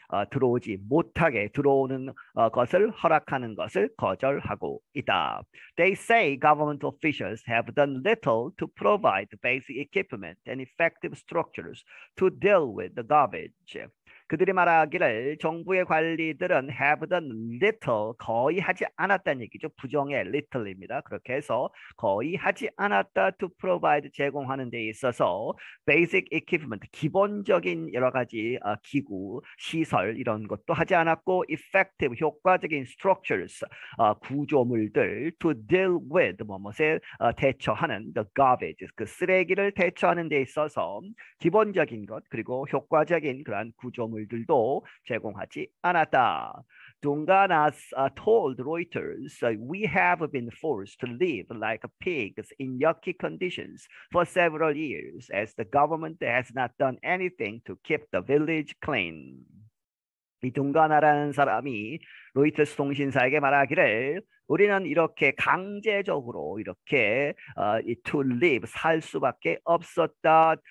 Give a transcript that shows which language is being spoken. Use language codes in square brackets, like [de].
[ko] 들어오지 못하게 들어오는 것을 허락하는 것을 거절하고 있다. [en] They say government officials have done little to provide basic equipment and effective structures to deal with the garbage. [ko] 그들이 말하기를 정부의 관리들은 have done little 거의 하지 않았다는 얘기죠. 부정의 little입니다. 그렇게 해서 거의 하지 않았다 to provide 제공하는 데 있어서 basic equipment 기본적인 여러 가지 기구 시설 이런 것도 하지 않았고 effective 효과적인 structures 구조물들 to deal with 뭐뭐에 대처하는 the garbage 그 쓰레기를 대처하는 데 있어서 기본적인 것 그리고 효과적인 그러한 구조물 들도 제공하지 않았다. [en] Dungana's told Reuters, "We have been forced to live like pigs in yucky conditions for several years, as the government has not done anything to keep the village clean." [ko] 이 둥가나라는 사람이 로이터스 통신사에게 말하기를 우리는 이렇게 강제적으로 이렇게 to live 살 수밖에 없었다.